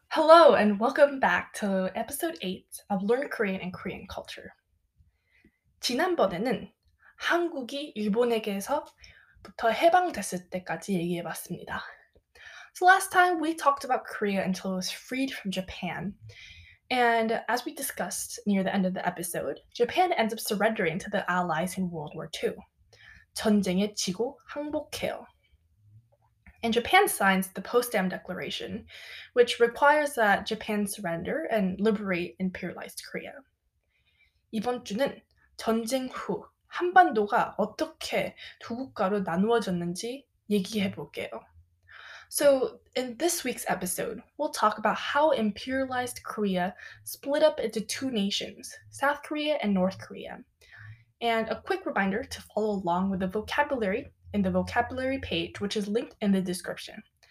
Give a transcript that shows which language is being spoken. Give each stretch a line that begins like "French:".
English: Hello and welcome back to episode 8 of Learn Korean and Korean Culture.
Korean: 지난번에는 한국이 일본에게서부터 해방됐을 때까지 얘기해 봤습니다.
English: So last time we talked about Korea until it was freed from Japan. And as we discussed near the end of the episode, Japan ends up surrendering to the Allies in World War II.
Korean: 전쟁에 지고 항복해요.
English: And Japan signs the Potsdam Declaration, which requires that Japan surrender and liberate imperialized Korea.
Korean: 이번 주는 전쟁 후 한반도가 어떻게 두 국가로 나누어졌는지 얘기해 볼게요.
English: So in this week's episode, we'll talk about how imperialized Korea split up into two nations, South Korea and North Korea. And a quick reminder to follow along with the vocabulary in the vocabulary page, which is linked in the description.